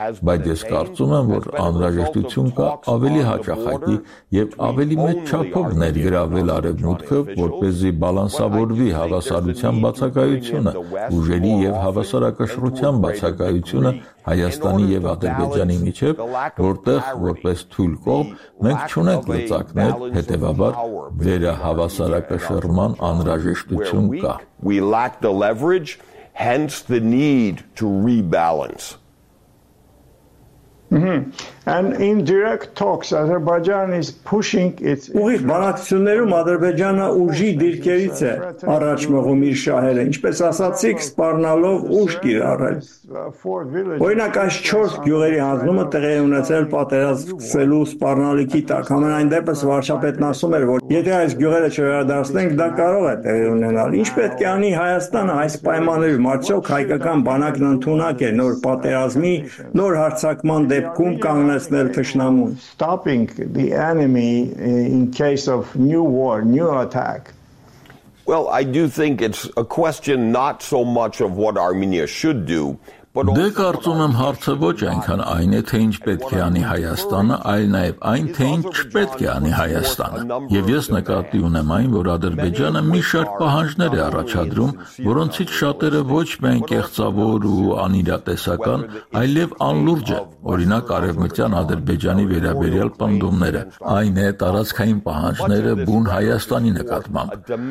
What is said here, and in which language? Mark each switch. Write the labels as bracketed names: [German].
[Armenian] բայց ես կարծում եմ, որ անհրաժեշտություն կա ավելի հաճախակի և ավելի մեծ չափով ներգրավել Արևմուտքը, որպեսզի բալանսավորվի հավասարության բացակայությունը, ուժերի և հավասարակշռության բացակայությունը Հայաստանի և Ադրբեջանի միջև, որտեղ որպես թույլ կողմ մենք չունենք լծակներ, հետևաբար վերահավասարակշռման անհրաժեշտություն կա։ [English] We lack the leverage, hence the need to rebalance. And in direct talks, Azerbaijan is pushing its... [Armenian] Ուղիղ բանակցություններում Ադրբեջանը ուժի դիրքերից է առաջ մղում իր շահերը, ինչպես ասացիք, սպառնալով ուժ կիրառել։ Օրինակ այս 4 գյուղերի հանձնումը տեղի ունեցել պատերազմելու սպառնալիքի տակ, համենայն դեպս վարչապետն ասում էր, որ եթե այս գյուղերը չվերադարձնենք, դա կարող է տեղի ունենալ։ Ինչ պետք է անի Հայաստանը այս պայմաններում, արդյոք հայկական բանակն ընդունակ է նոր պատերազմի, նոր հարձակման դեպքում կանգնեցնել թշնամուն։ [English] Stopping the enemy in case of new war, new attack. Well, I do think it's a question not so much of what Armenia should do, [Armenian] Դե կարծում եմ հարցը ոչ այնքան այն է, թե ինչ պետք է անի Հայաստանը, այլ նաև այն, թե ինչ պետք է անի Հայաստանը։ Եվ ես նկատի ունեմ այն, որ Ադրբեջանը մի շարք պահանջներ է առաջադրում, որոնցից շատերը ոչ միայն կեղծավոր ու անիրատեսական, այլև անլուրջ են, օրինակ արևմտյան Ադրբեջանի վերաբերյալ պնդումները, այն է տարածքային պահանջները բուն Հայաստանի նկատմամբ։